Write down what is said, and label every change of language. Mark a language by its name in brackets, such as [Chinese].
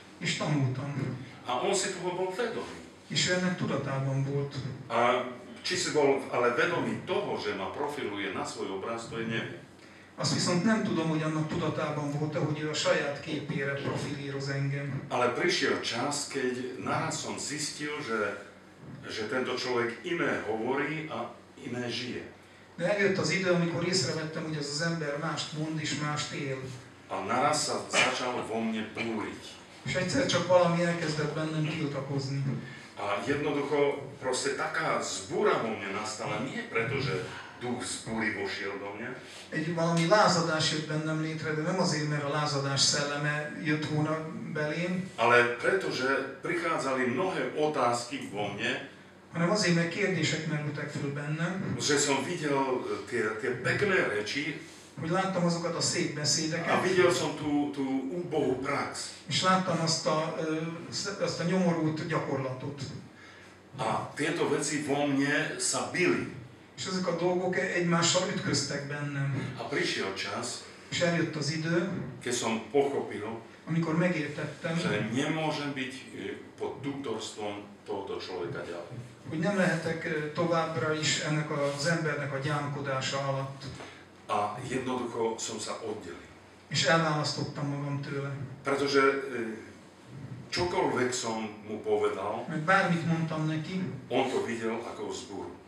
[Hungarian] És tanultam. [Slovak] A on si toho bol vedomý. [Hungarian] És ennek tudatában volt. [Slovak] A či si bol ale vedomý toho, že ma profiluje na svoj obraz, to je neviem. [Hungarian] Azt viszont nem tudom, hogy annak tudatában volt-e, hogy ő a saját képére profilíroz engem. [Slovak] Ale prišiel čas, keď naraz som zistil, že tento človek iné hovorí a iné žije. [Hungarian] De eljött az idő, amikor észrevettem, hogy ez az ember mást mond és mást él. [Slovak] A naraz sa začal vo mne búriť. [Hungarian] És egyszer csak valami elkezdett bennem tiltakozni. [Slovak] A jednoducho proste taká zbúra vo mne nastala, nie preto, že duch zbúry vošiel do mňa. [Hungarian] Egy valami lázadás jött bennem létre, de nem azért, mert a lázadás szelleme jött volna belém. [Slovak] Ale pretože prichádzali mnohé otázky vo mne. [Hungarian] Hanem azért, mert kérdések merültek föl bennem. [Slovak] Že som videl tie pekné reči. [Hungarian] Hogy láttam azokat a szép beszédeket. [Slovak] A videl som tú úbohú prax. [Hungarian] És láttam azt a nyomorult gyakorlatot. [Slovak] A tieto veci vo mne sa bili. [Hungarian] És ezek a dolgok egymással ütköztek bennem. [Slovak] A prišiel čas, [Hungarian] és eljött az idő, [Slovak] keď som pochopil, [Hungarian] amikor megértettem, [Slovak] že nemôžem byť pod tutorstvom tohoto človeka ďalej. [Hungarian] Hogy nem lehetek továbbra is ennek az embernek a gyámkodása alatt. [Slovak] A jednoducho som sa oddelil. [Hungarian] És elválasztottam magam tőle. [Slovak] Pretože čokoľvek som mu povedal, [Hungarian] mert bármit mondtam neki, [Slovak] on to videl ako zbúru.